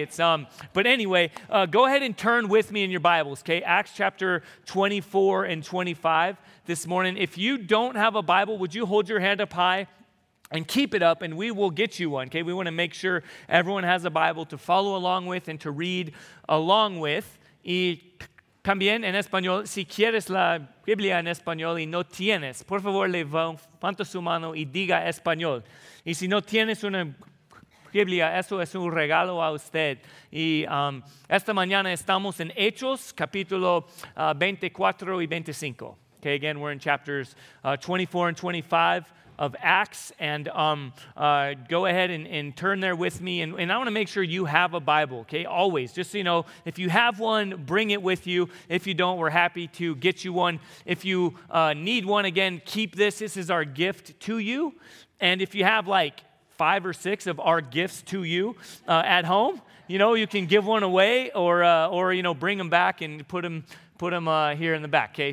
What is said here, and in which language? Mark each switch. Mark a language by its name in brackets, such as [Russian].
[English] It's but anyway, go ahead and turn with me in your Bibles, okay? Acts chapter 24 and 25 this morning. If you don't have a Bible, would you hold your hand up high and keep it up, and we will get you one, okay? We want to make sure everyone has a Bible to follow along with and to read along with. [Spanish] Y también en español, si quieres la Biblia en español y no tienes, por favor, levanta su mano y diga español. Y si no tienes una Biblia, eso es un regalo a usted. Y esta mañana estamos en Hechos, capítulo 24 y 25. [English] Okay, again, we're in chapters 24 and 25. Of Acts, and go ahead and turn there with me, and I want to make sure you have a Bible, okay, always. Just so you know, if you have one, bring it with you. If you don't, we're happy to get you one. If you need one, again, keep this. This is our gift to you, and if you have like five or six of our gifts to you at home, you know, you can give one away or you know, bring them back and put them here in the back, okay?